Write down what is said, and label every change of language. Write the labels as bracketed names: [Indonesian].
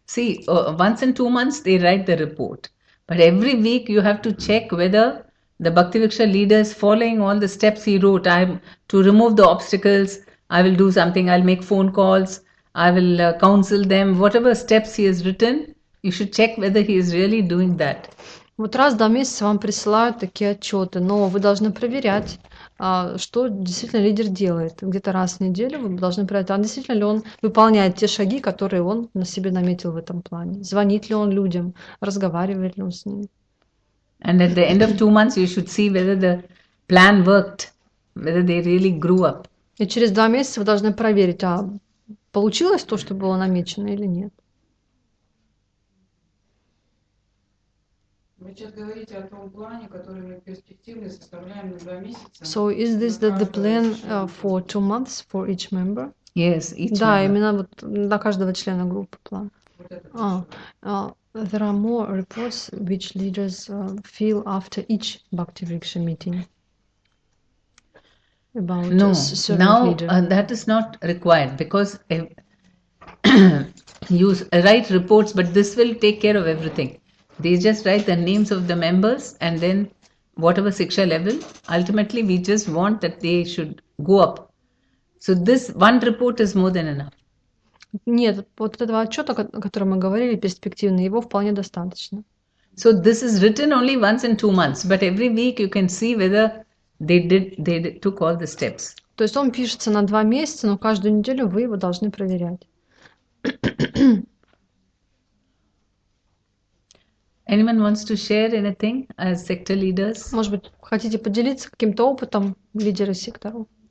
[English] See, once in 2 months they write the report. But every week you have to check whether the Bhaktivriksha leader is following all the steps he wrote. I'm to remove the obstacles. I will do something. I'll make phone calls. I will counsel them. Whatever steps he has written, you should check whether he is really doing that. [Russian] Вот раз до месяца вам присылают такие отчеты, но вы должны проверять. Что действительно лидер делает? Где-то раз в неделю вы должны проверять, а действительно ли он выполняет те шаги, которые он на себе наметил в этом плане? Звонит ли он людям? Разговаривает ли он с ними? [English] And at the end of 2 months you should see whether the plan worked, whether they really grew up. [Russian] И через 2 месяца вы должны проверить, а получилось то, что было намечено или нет? Вы сейчас говорите о том плане, который мы перспективно составляем на 2 месяца. [English] So is this the plan for 2 months for each member? Yes, each [Russian] да, Именно вот на каждого члена группы план. Вот [English] there are more reports which leaders feel after each Bhakti Vriksha meeting. About no, now leader. That is not required because you write reports, but this will take care of everything. They just write the names of the members and then whatever siksha level. Ultimately, we just want that they should go up. So this one report is more than enough. [Russian] Нет, вот этого отчета, о котором мы говорили, перспективный, его вполне достаточно. [English] So this is written only once in 2 months, but every week you can see whether they took all the steps. [Russian] То есть он пишется на 2 месяца, но каждую неделю вы его должны проверять. [English] Anyone wants to share anything as sector leaders? [Russian] Может быть, хотите поделиться каким-то опытом лидера сектора?